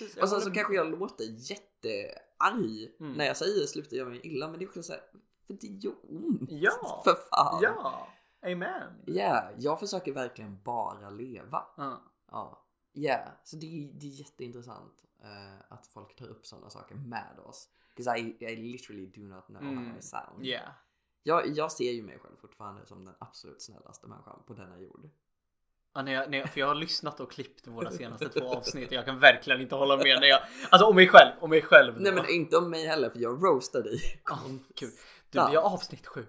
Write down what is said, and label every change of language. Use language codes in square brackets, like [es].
[sv] Och sen så kanske jag låter jättearg när jag säger sluta göra mig illa, men det är också såhär, för det gör ont. Ja, för fan. Ja, amen. Ja, jag försöker verkligen bara leva. Ja. Ja, yeah, så det är jätteintressant att folk tar upp sådana saker med oss. [en] Because I literally do not know how I sound. Yeah. [sv] Jag ser ju mig själv fortfarande som den absolut snällaste människan på denna jord. Ja, för jag har lyssnat och klippt våra senaste två avsnitt. Jag kan verkligen inte hålla med. Alltså om mig själv. Nej, men inte om mig heller, för jag roastar dig. Kul. Du, vi har avsnitt 7.